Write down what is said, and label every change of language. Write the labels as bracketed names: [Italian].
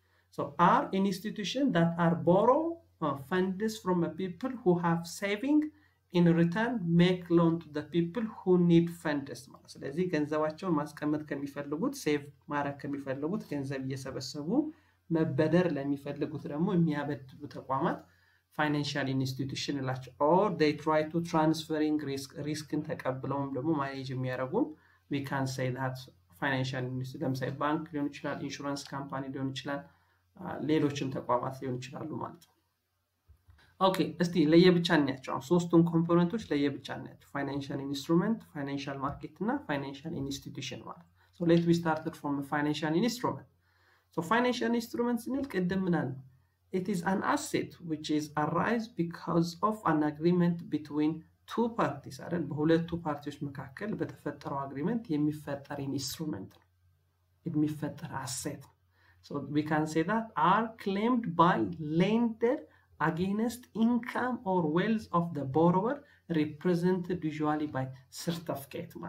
[English] So are an institution that are borrow funds from a people who have saving in return make loan to the people who need funds. [Amharic] ስለዚህ ገንዘባቸውን ማስቀመጥ ከሚፈልጉት save ማድረግ ከሚፈልጉት ገንዘብ እየሰበሰቡ መበደር ለሚፈልጉት ደግሞ የሚያበድሩ ተቋማት financial institution ላች [English] or they try to transferring risk in [Amharic] ተቀብለውም ደግሞ manage የሚያደርጉ [English] we can say that financial institutions say bank [Amharic] ሊሆን ይችላል insurance company ሊሆን ይችላል ሌሎችም ተቋማት ሊሆን ይችላሉ ማለት ነው። ኦኬ እስቲ ለየብቻ እናያቸው ሶስቱን ኮምፖነንቶች ለየብቻ እናያቸው financial instrument financial market እና financial institution ማለት። [English] so let we start from the financial instrument. so financial instruments ንል ቀደም እናል it is an asset which is arise because of an agreement between two parties [Amharic] አረን በሁለቱ ፓርቲዎች መካከል በተፈጠረው አግሪመንት የሚፈጠር ኢንስትሩመንት ነው። [English] የሚፈጠር asset. So we can say that are claimed by lender against income or wealth of the borrower represented usually by certificate.